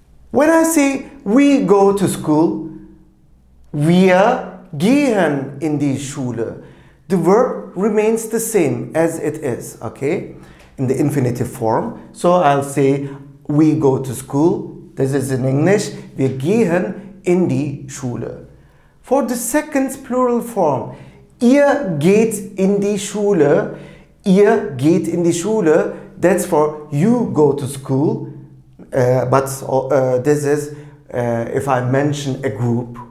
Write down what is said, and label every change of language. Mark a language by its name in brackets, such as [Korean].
[English] When I say we go to school, [German] wir gehen in die Schule. [English] The verb remains the same as it is, okay? In the infinitive form. So I'll say, we go to school. This is in English. [German] Wir gehen in die Schule. [English] For the second plural form, [German] ihr geht in die Schule. Ihr geht in die Schule. [English] That's for you go to school. This is if I mention a group.